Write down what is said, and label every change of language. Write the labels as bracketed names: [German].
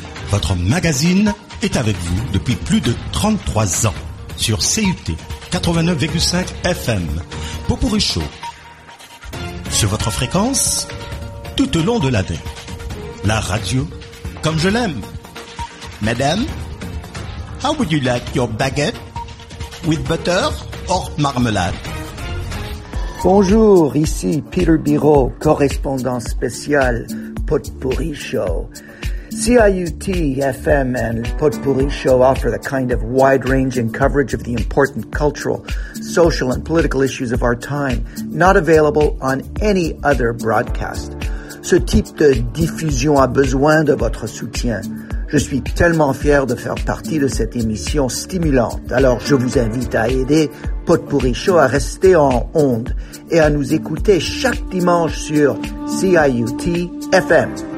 [French] Votre magazine est avec vous depuis plus de 33 ans. Sur CUT 89,5 FM, Popourri Show, sur votre fréquence, tout au long de l'année, la radio, comme je l'aime. [English] Madame, how would you like your baguette, with butter or marmelade? [French] Bonjour, ici Peter Biro, correspondant spécial, Popourri Show. [English] CIUT FM and Potpourri Show offer the kind of wide-ranging coverage of the important cultural, social, and political issues of our time, not available on any other broadcast. [French] Ce type de diffusion a besoin de votre soutien. Je suis tellement fier de faire partie de cette émission stimulante. Alors, je vous invite à aider Potpourri Show à rester en onde et à nous écouter chaque dimanche sur CIUT FM.